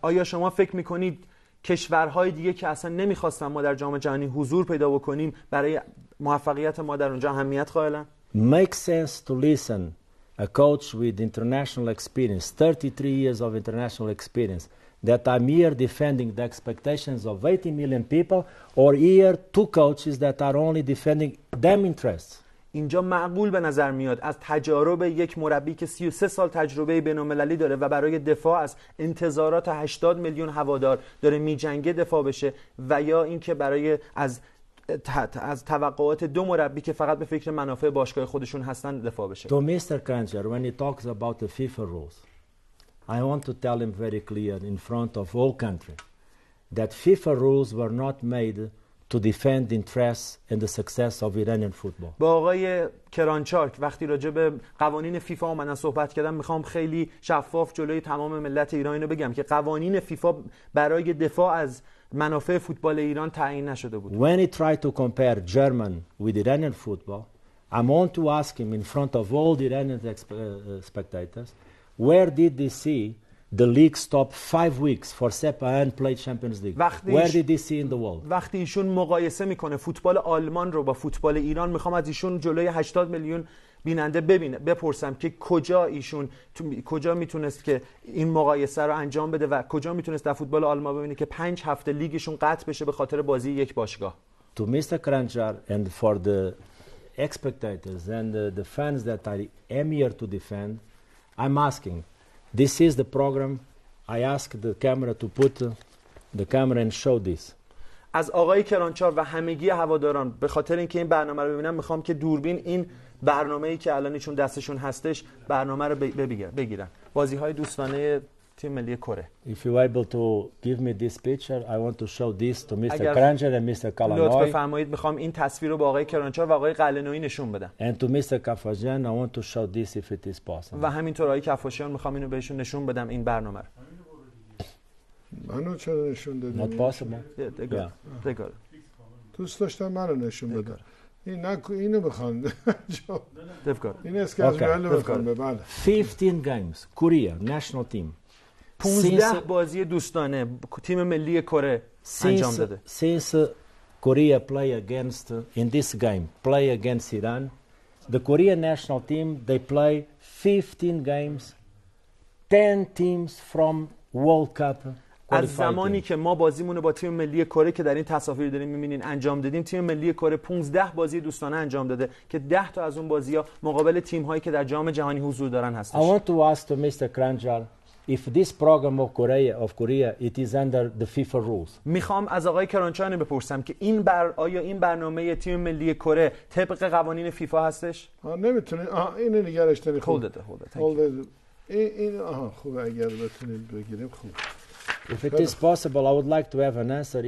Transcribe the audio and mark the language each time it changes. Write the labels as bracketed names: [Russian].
[Persian] آیا شما فکر میکنید کشورهای دیگه که اصلا نمیخواستن ما در جام جهانی حضور پیدا بکنیم برای موفقیت ما در اونجا اهمیت قائلن؟ [English] Makes sense to listen a coach with international experience, 33 years of international experience, that I'm here defending the expectations of 80 million people, or here two coaches that are only defending them interests. [Persian] اینجا معقول به نظر میاد از تجارب یک مربی که 33 سال تجربه بین‌المللی داره و برای دفاع از انتظارات 80 میلیون هوادار داره میجنگه دفاع بشه و یا اینکه برای از توقعات دو مربی که فقط به فکر منافع باشگاه خودشون هستن دفاع بشه. [English] To Mr. Kranjcar, when he talks about the FIFA rules, I want to tell him very clear in front of all country that FIFA rules were not made to defend interests and the success of Iranian football. [Persian] با آقای کرانچار وقتی راجع به قوانین فیفا اومدن صحبت کردم میخوام خیلی شفاف جلوی تمام ملت ایران اینو بگم که قوانین فیفا برای دفاع از منافع فوتبال ایران تعیین نشده بود. [English] When he tried to compare German with Iranian football, I want to ask him in front of all the Iranian spectators, where did they see the league stop 5 weeks for Sepa and play Champions League? Where did they see in the world? [Persian] وقتی ایشون مقایسه میکنه فوتبال آلمان رو با فوتبال ایران، میخوام از ایشون جلوی 80 میلیون بیننده ببینه بپرسم که کجا ایشون کجا میتونست که این مقایسه رو انجام بده و کجا میتونست در فوتبال آلمان ببینه که 5 هفته لیگشون قطع بشه به خاطر بازی یک باشگاه. [English] To Mr. Kranjcar and for the spectators and the fans that I am here to defend, I'm asking, this is the program. I ask the camera to put the camera and show this. [Persian] از آقای کرانچار و همگی هواداران به خاطر اینکه این برنامه رو ببینن میخوام که دوربین این برنامه‌ای که الان ایشون دستشون هستش برنامه رو بگیرن. بازی‌های دوستانه تیم ملی کره. [English] If you able to give me this picture, I want to show this to Mr. Kranjcar and Mr. Kalanoy. [Persian] لطف بفرمایید میخوام این تصویر رو با آقای کرانچار و آقای قلنوی نشون بدم. [English] And to Mr. Kafajan, I want to show this if it is possible. [Persian] و همینطور آقای کفاشیان میخوام اینو بهشون نشون بدم این برنامه رو. منو چرا نشون دادی؟ [English] Not possible. [Persian] دیگر. دوست داشتم منو نشون بدم. اینو بخوان. دفکر. این است که از ریال بخوان. بله. [English] 15 games. Korea, national team. [Persian] 15 بازی دوستانه تیم ملی کره انجام داده. [English] Since Korea play against in this game, play against Iran, the Korean national team, they play 15 games, 10 teams from World Cup. [Persian] از زمانی که ما بازیمون رو با تیم ملی کره که در این تصاویر داریم می‌بینین انجام دادیم، تیم ملی کره 15 بازی دوستانه انجام داده که 10 تا از اون بازی‌ها مقابل تیم‌هایی که در جام جهانی حضور دارن هستش. [English] I want to ask to Mr. Kranjcar if this program of Korea it is under the FIFA rules. [Persian] می‌خوام از آقای کرانچار بپرسم که این بر آیا این برنامه تیم ملی کره طبق قوانین فیفا هستش؟ نمی‌تونید اینو نگارش تری خوب. [English] Hold it. [Persian] این خوب اگر بتونید بگیریم خوب. [English] If it is possible, I would like to have an answer.